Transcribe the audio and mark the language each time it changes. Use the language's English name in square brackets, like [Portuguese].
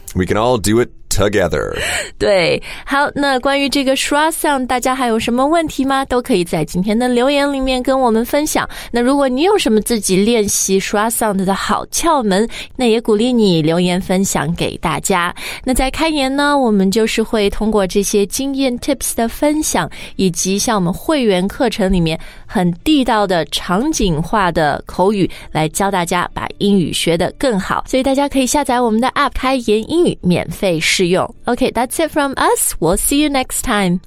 [English] We can all do it together. [Chinese] 对。好，那关于这个 schwa sound, 大家还有什么问题吗？都可以在今天的留言里面跟我们分享。那如果你有什么自己练习 schwa sound 的好窍门，那也鼓励你留言分享给大家。那在开年呢，我们就是会通过这些经验 tips 的分享，以及像我们会员课程里面很地道的场景化的口语来教大家把英语学得更好。所以大家可以下载我们的 app 开言英语免费试用。 [English] Okay, that's it from us. We'll see you next time.